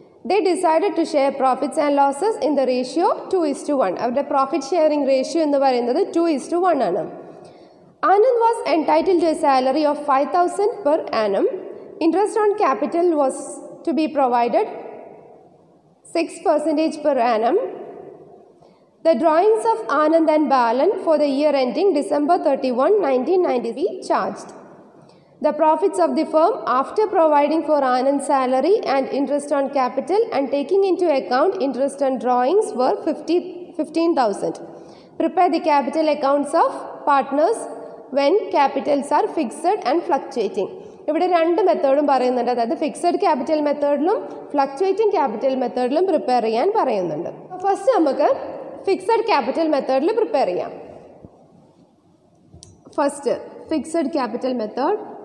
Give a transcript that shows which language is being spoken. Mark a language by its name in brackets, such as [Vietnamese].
[English] They decide to share profits and losses in the ratio 2:1. [Malayalam] അവരുടെ profit sharing ratio എന്ന് പറയുന്നത് 2:1 ആണ്. [English] Anand was entitle to a salary of 5,000 per annum. Interest on capital was to be provided 6% per annum. The drawings of Anand and Balan for the year ending December 31, 1990 be charged. The profits of the firm after providing for Anand's salary and interest on capital and taking into account interest on drawings were 15,000. Prepare the capital accounts of partners when capitals are fixed and fluctuating. [Malayalam] ഇവിടെ രണ്ട് മെത്തേഡും പറയുന്നുണ്ട്, അതായത് fixed capital മെത്തേഡിലും fluctuating capital മെത്തേഡിലും prepare ചെയ്യാൻ പറയുന്നുണ്ട്. First നമുക്ക് fixed capital മെത്തേഡിൽ prepare ചെയ്യാം. [English] First fixed capital method.